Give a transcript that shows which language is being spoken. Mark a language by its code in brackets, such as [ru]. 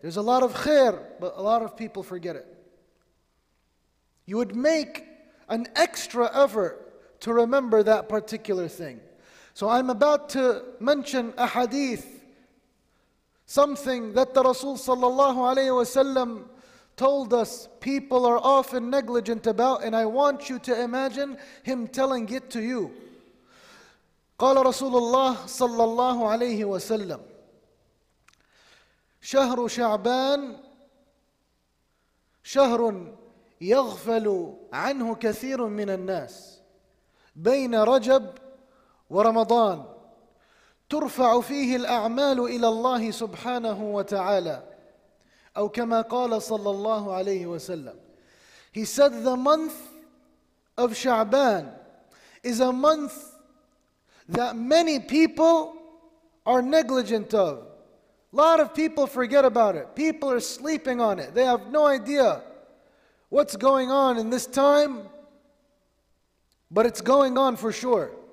[en] There's a lot of khair, but a lot of people forget it. You would make an extra effort to remember that particular thing. So I'm about to mention a hadith, something that the Rasul sallallahu alayhi wasallam told us people are often negligent about, and I want you to imagine him telling it to you. [ar] قال رسول الله صلى الله عليه وسلم شهر شعبان شهر يغفل عنه كثير من الناس بين رجب ورمضان ترفع فيه الأعمال إلى الله سبحانه وتعالى أو كما قال صلى الله عليه وسلم. [en] He said the month of Sha'ban is a month that many people are negligent of. A lot of people forget about it. People are sleeping on it. They have no idea what's going on in this time, but it's going on for sure.